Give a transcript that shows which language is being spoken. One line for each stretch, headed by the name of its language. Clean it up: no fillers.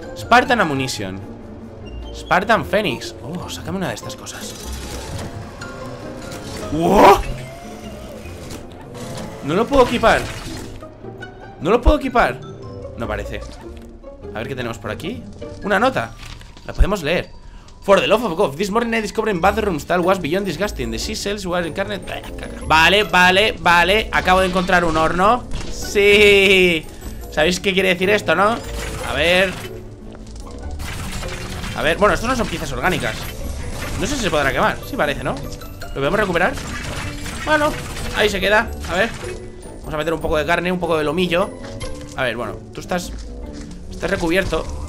English: Spartan Ammunition, Spartan Phoenix. ¡Oh!
Spanish: Sácame una de estas cosas. ¡Wow! No lo puedo equipar. No lo puedo equipar. No parece. A ver qué tenemos por aquí. Una nota. La podemos leer.
English: For the love of God, this morning I discovered bathrooms that was beyond disgusting. The seashells were incarnate.
Spanish: Vale, vale, vale. Acabo de encontrar un horno. Sí. ¿Sabéis qué quiere decir esto, no? A ver. A ver. Bueno, esto no son piezas orgánicas. No sé si se podrá quemar. Sí, parece, ¿no? ¿Lo podemos recuperar? Bueno, ahí se queda. A ver. Vamos a meter un poco de carne, un poco de lomillo. A ver, bueno. Tú estás recubierto.